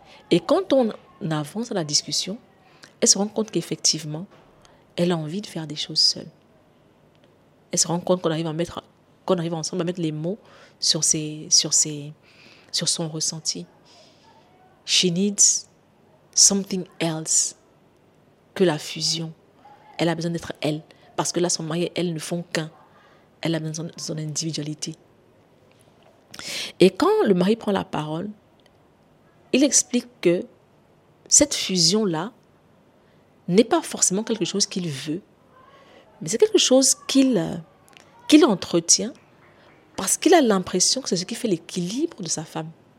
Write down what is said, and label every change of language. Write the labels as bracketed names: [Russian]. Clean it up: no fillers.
[French] Et quand on avance dans la discussion, elle se rend compte qu'effectivement, elle a envie de faire des choses seule. Elle se rend compte qu'on arrive ensemble à mettre les mots sur son ressenti. [English] She needs something else [French] que la fusion. Elle a besoin d'être elle. Parce que là, son mari et elle ne font qu'un. Elle a besoin de son individualité. Et quand le mari prend la parole, il explique que cette fusion-là n'est pas forcément quelque chose qu'il veut, mais c'est quelque chose qu'il entretient parce qu'il a l'impression que c'est ce qui fait l'équilibre de sa femme.